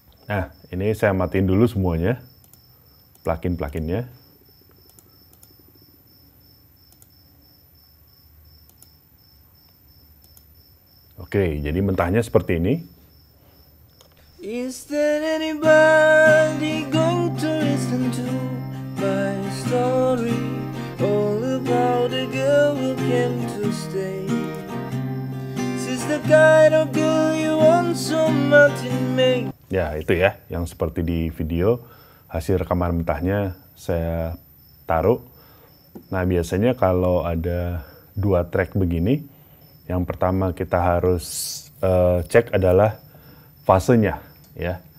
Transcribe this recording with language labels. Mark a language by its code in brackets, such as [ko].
[id] Nah, ini saya matiin dulu semuanya plugin-pluginnya. Oke, jadi mentahnya seperti ini. [en] Is there anybody going to listen to my story all about a girl who came to stay? She's the kind of girl you want so much in me. [id] Ya, itu ya yang seperti di video. Hasil rekaman mentahnya saya taruh. Nah, biasanya kalau ada dua track begini, yang pertama kita harus cek adalah fasenya, ya.